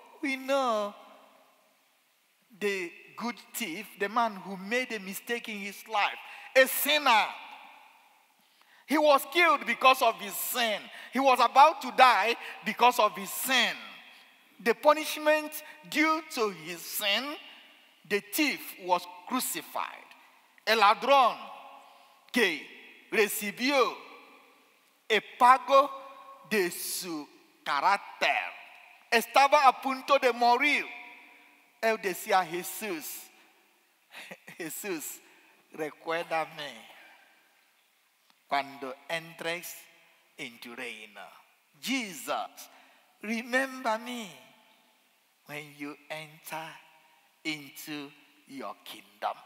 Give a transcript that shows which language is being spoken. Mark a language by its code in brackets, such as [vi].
[en] We know the good thief, the man who made a mistake in his life, a sinner. He was killed because of his sin. He was about to die because of his sin. The punishment due to his sin, the thief was crucified. [es] El ladrón que recibió el pago de su carácter estaba a punto de morir. Él decía, Jesús, Jesús, recuérdame cuando entres en tu reino. [en] Jesus, remember me when you enter into your kingdom.